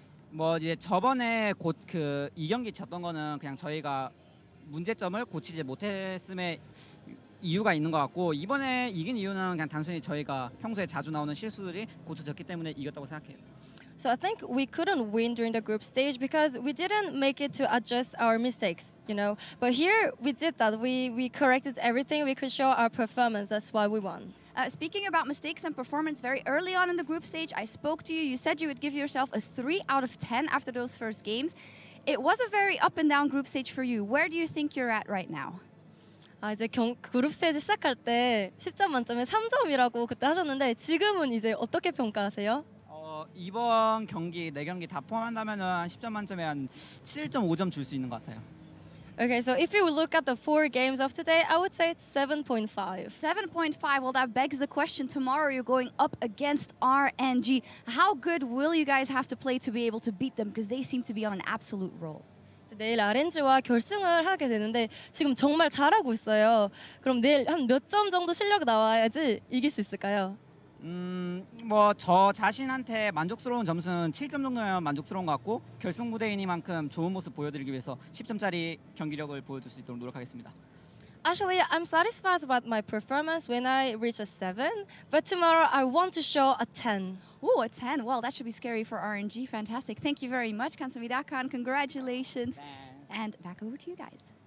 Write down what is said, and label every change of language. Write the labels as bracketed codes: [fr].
[ko] 뭐 이제 저번에 곧 그 이 경기 쳤던 거는 그냥 저희가 문제점을 고치지 못했음에 이유가 있는 것 같고 이번에 이긴 이유는 그냥 단순히 저희가 평소에 자주 나오는 실수들이 고쳐졌기 때문에 이겼다고 생각해요. [en] So I think we couldn't win during the group stage because we didn't make it to adjust our mistakes, you know. But here we did that. We corrected everything. We could show our performance. That's why we won. Speaking about mistakes and performance, very early on in the group stage, I spoke to you. You said you would give yourself a 3 out of 10 after those first games. It was a very up and down group stage for you. Where do you think you're at right now? [ko] 아 이제 그룹 스테이지 시작할 때 10점 만점에 3점이라고 그때 하셨는데 지금은 이제 어떻게 평가하세요? 이번 경기 4경기 다 포함한다면은 10점 만점에 한 7.5점 줄 수 있는 것 같아요. [en] Okay, so if you look at the four games of today, I would say it's 7.5. 7.5, well, that begs the question. Tomorrow you're going up against RNG. How good will you guys have to play to be able to beat them? Because they seem to be on an absolute roll. [ko] 내일 RNG와 결승을 하게 되는데 지금 정말 잘하고 있어요. 그럼 내일 한 몇 점 정도 실력 나와야지 이길 수 있을까요? 뭐 저 자신한테 만족스러운 점수는 7점 정도면 만족스러운 것 같고 결승 무대이니만큼 좋은 모습 보여드리기 위해서 10점짜리 경기력을 보여줄 수 있도록 노력하겠습니다. [en] Actually, I'm satisfied about my performance when I reach a 7, but tomorrow I want to show a 10. Ooh, a 10. Well, that should be scary for RNG. Fantastic. Thank you very much, Kansamidakan. Congratulations. And back over to you guys.